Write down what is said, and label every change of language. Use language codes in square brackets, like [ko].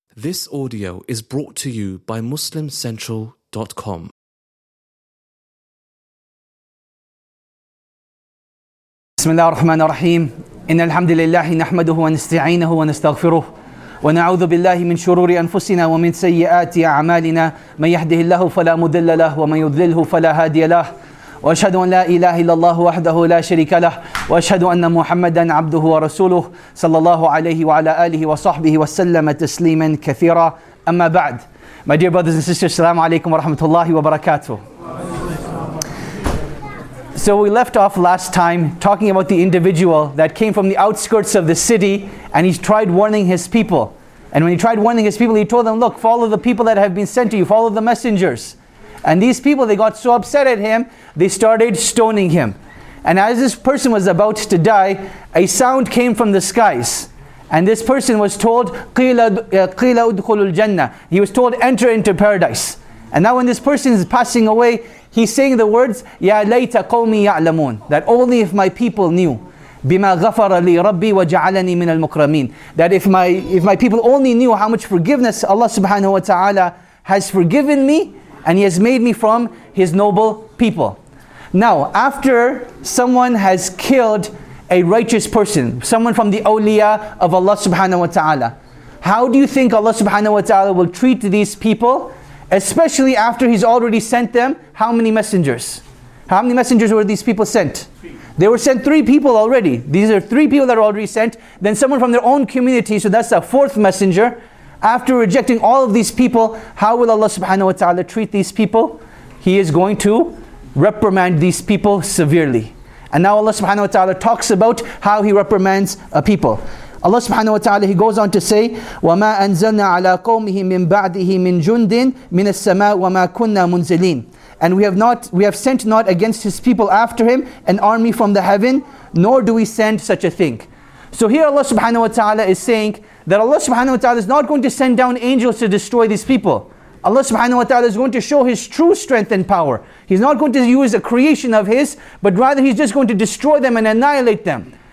[en] This audio is brought to you by MuslimCentral.com. [ar] بسم الله الرحمن الرحيم إن الحمد لله نحمده ونستعينه ونستغفره ونعوذ بالله من شرور أنفسنا ومن سيئات أعمالنا من يهده الله فلا مضل له ومن يضلله فلا هادي له وأشهد أن لا إله إلا الله وحده لا شريك له وأشهد أن محمدا عبده ورسوله صلى الله عليه وعلى آله وصحبه وسلم تسليما كثيرا أما بعد. [en] My dear brothers and sisters, [ar] السلام عليكم ورحمة الله وبركاته. [en] So we left off last time talking about the individual that came from the outskirts of the city and he tried warning his people. And when he tried warning his people, he told them, look, follow the people that have been sent to you, follow the messengers. And these people, they got so upset at him, they started stoning him. And as this person was about to die, a sound came from the skies. And this person was told, [ar] قِيلَ أُدْخُلُ الْجَنَّةِ. [en] He was told, enter into paradise. And now when this person is passing away, he's saying the words, [ar] يَا لَيْتَ قَوْمِي يَعْلَمُونَ. [en] That only if my people knew, [ar] بِمَا غَفَرَ لِي رَبِّي وَجَعَلَنِي مِنَ الْمُكْرَمِينَ. [en] That if my people only knew how much forgiveness Allah subhanahu wa ta'ala has forgiven me, and He has made me from His noble people. Now, after someone has killed a righteous person, someone from the awliya of Allah subhanahu wa ta'ala, how do you think Allah subhanahu wa ta'ala will treat these people, especially after He's already sent them how many messengers? How many messengers were these people sent? They were sent three people already. These are three people that are already sent. Then someone from their own community, so that's a fourth messenger. After rejecting all of these people, how will Allah subhanahu wa ta'ala treat these people? He is going to reprimand these people severely. And now Allah subhanahu wa ta'ala talks about how He reprimands a people. Allah subhanahu wa ta'ala, He goes on to say, [ar] وَمَا أَنزَلْنَا عَلَىٰ قَوْمِهِ مِنْ بَعْدِهِ مِنْ جُنْدٍ مِنَ السَّمَاءِ وَمَا كُنَّا مُنزِلِينَ. [en] And we have sent not against His people after Him an army from the heaven, nor do we send such a thing. So here Allah subhanahu wa ta'ala is saying that Allah subhanahu wa ta'ala is not going to send down angels to destroy these people. Allah subhanahu wa ta'ala is going to show His true strength and power. He's not going to use a creation of His, but rather He's just going to destroy them and annihilate them.